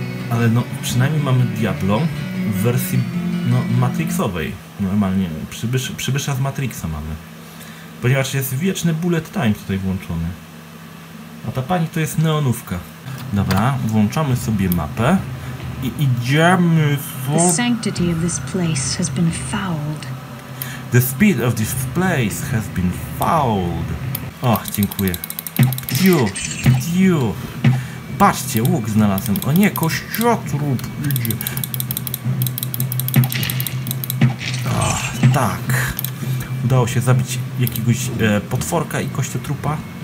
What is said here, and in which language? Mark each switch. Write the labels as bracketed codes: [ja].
[pl] Ale no, przynajmniej mamy Diablo w wersji, no, Matrixowej. Normalnie, przybysza z Matrixa mamy. Ponieważ jest wieczny bullet time tutaj włączony. A ta pani to jest neonówka. Dobra, włączamy sobie mapę. I idziemy sobie... [en] The sanctity of this place has been fouled. The speed of this place has been fouled. [pl] Och, dziękuję. Piu. Patrzcie, łuk znalazłem. O nie, kościotrup idzie. Tak, udało się zabić jakiegoś potworka i kościotrupa.